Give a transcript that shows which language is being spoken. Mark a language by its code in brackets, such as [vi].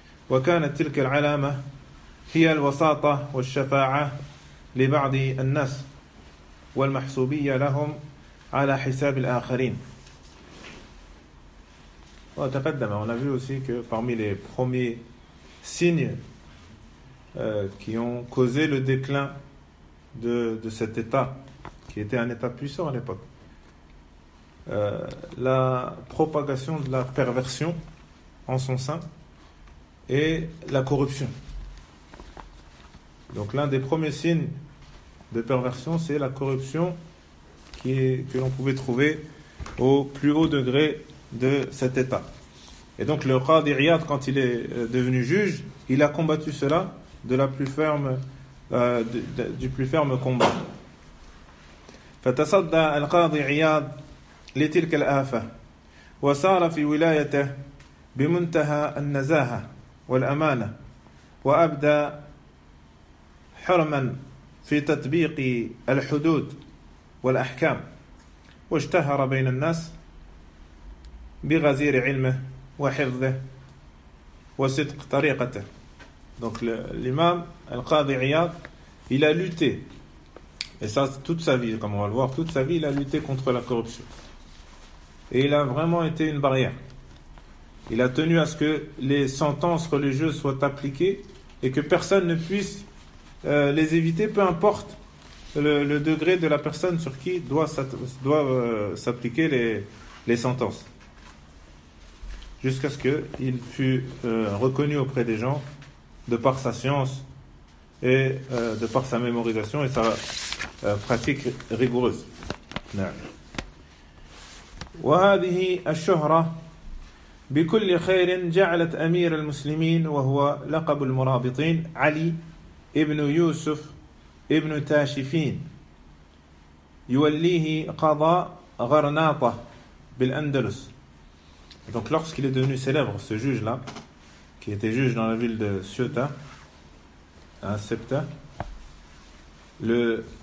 [ar] وكانت تلك العلامة هي الوساطة والشفاعة لبعض الناس والمحسوبية لهم على حساب الآخرين. وتقدم. [fr] On a vu aussi que parmi les premiers signes qui ont causé le déclin de cet état, qui était un état puissant à l'époque, la propagation de la perversion en son sein. Et la corruption. Donc l'un des premiers signes de perversion, c'est la corruption que l'on pouvait trouver au plus haut degré de cet état. Et donc le Qadi Iyad, quand il est devenu juge, il a combattu cela de la plus ferme, du plus ferme combat. [ar] فتصدى القاضي عياض لتلك الآفة وصار في ولايته بمنتهى النزاهة والأمانة وأبدى حرما في تطبيق الحدود والأحكام واشتهر بين الناس بغزير علمه وحفظه وصدق طريقته. [fr] Donc l'imam Al-Qadi Iyad, il a lutté, et ça toute sa vie, comme on va le voir, toute sa vie il a lutté contre la corruption, et il a vraiment été une barrière. Il a tenu à ce que les sentences religieuses soient appliquées et que personne ne puisse les éviter, peu importe le degré de la personne sur qui doivent s'appliquer les sentences. Jusqu'à ce qu'il fût reconnu auprès des gens de par sa science et de par sa mémorisation et sa pratique rigoureuse. [ar] وهذه الشهرة بكل خير جعلت أمير المسلمين وهو لقب المرابطين علي ابن يوسف ابن تاشفين يوليه قضاء غرناطة بالأندلس. [fr] Donc lorsqu'il est devenu célèbre, ce juge là qui était juge dans la ville de Ceuta, à Septa, l'un